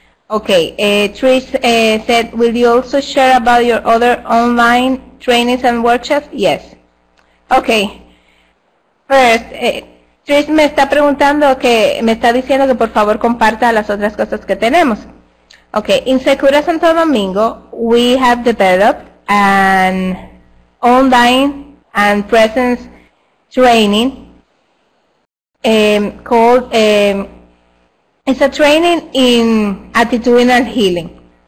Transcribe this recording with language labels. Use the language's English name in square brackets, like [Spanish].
[English] Ok, Trish said, will you also share about your other online trainings and workshops? Yes. Ok. [Spanish] First, Trish me está preguntando que, me está diciendo que por favor comparta las otras cosas que tenemos. [English] Ok, in Secura Santo Domingo, we have developed an online and presence training called, it's a training in attitudinal healing.